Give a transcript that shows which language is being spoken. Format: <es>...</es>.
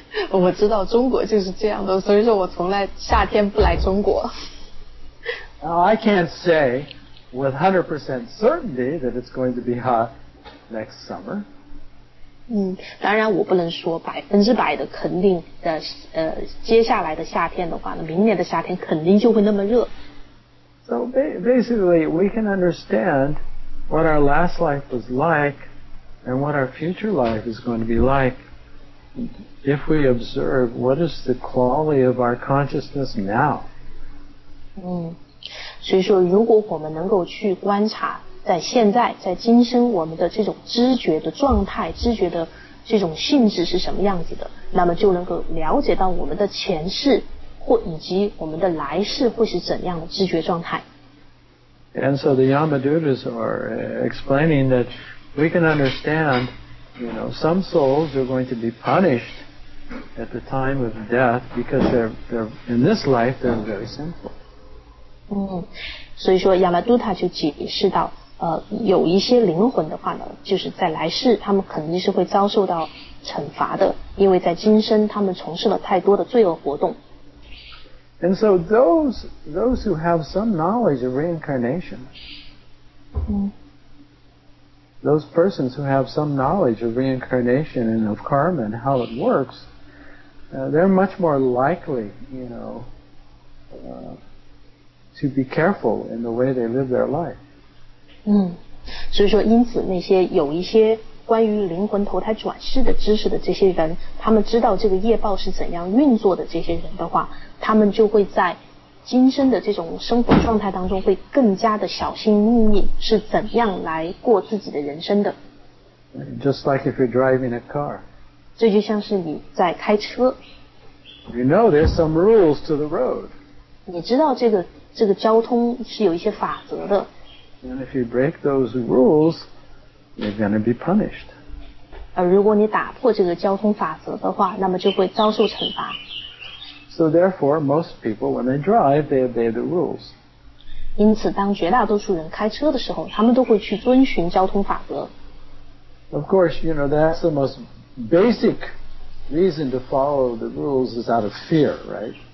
<zh>我知道中国就是这样的，所以说我从来夏天不来中国。</zh> <en>Now I can't say with 100% certainty that it's going to be hot next summer.</en> <zh>当然我不能说100%的肯定的，接下来的夏天的话呢，明年的夏天肯定就会那么热。</zh> <en>So basically, we can understand what our last life was like and what our future life is going to be like if we observe what is the quality of our consciousness now.</en> <zh>所以说如果我们能够去观察在现在在今生我们的这种知觉的状态知觉的这种性质是什么样子的那么就能够了解到我们的前世或以及我们的来世会是怎样的知觉状态</zh> <en>And so the Yamadutas are explaining that we can understand you know, some souls are going to be punished at the time of death because they're in this life they're very sinful</en> <zh>所以说亚玛杜塔就解释到有一些灵魂的话呢就是在来世他们肯定是会遭受到惩罚的因为在今生他们从事了太多的罪恶活动</zh> <en>And so those who have some knowledge of reincarnation those persons who have some knowledge of reincarnation and of karma and how it works they're much more likely you know to be careful in the way they live their life.</en> <zh>所以说因此那些有一些关于灵魂投胎转世的知识的这些人他们知道这个业报是怎样运作的这些人的话他们就会在今生的这种生活状态当中会更加的小心翼翼是怎样来过自己的人生的。</zh> <en>Just like if you're driving a car.</en> <zh>这就像是你在开车。</zh> <en>You know there's some rules to the road.</en> <zh>你知道这个交通是有一些法则的。</zh> <en>And if you break those rules, you're going to be punished.</en> <zh>如果你打破这个交通法则的话，那么就会遭受惩罚。</zh> <en>So therefore, most people, when they drive, they obey the rules.</en> <zh>因此，当绝大多数人开车的时候，他们都会去遵循交通法则。</zh> <en>Of course, you know, that's the most basic reason to follow the rules is out of fear, right?</en>